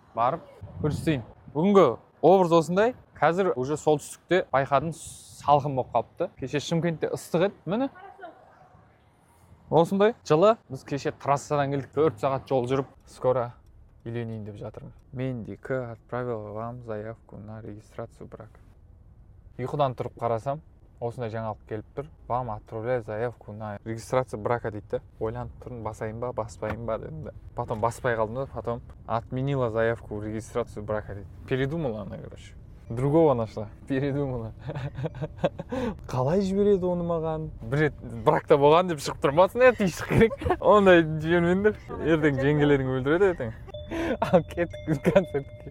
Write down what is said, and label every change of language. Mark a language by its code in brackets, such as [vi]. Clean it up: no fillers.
[kk] Барып көрсетейін. Бүгінгі образ осындай. Қазір уже солтүстікте байқадым, салқын болып қалыпты. Кеше Шымкентте ыстық еді. Міне. Осындай жылы біз кеше трассадан келдік, 4 сағат жол жүріп, скоро үйленейін деп жатырмын. Мен де [ru] отправил вам заявку на регистрацию брака. [kk] Ұйқыдан тұрып қарасам, осындай жаңалық келіп тұр. [ru] Вам отправляю заявку на регистрацию брака дейді. [kk] Ойланып тұрмын, басайын ба, баспайын ба дедім. [ru] Потом [kk] баспай қалдым да, [ru] потом отменила заявку в регистрацию брака дейді. Передумала она, короче. Другого нашла. Передумала. [kk] Қалай жібереді оны маған? Бір рет бракта болған деп шығып тұрмасын, әті еш керек. Ондай жібермеңдер. Ертең жеңгелерің өлтіреді ертең. Ал кеттік концертке.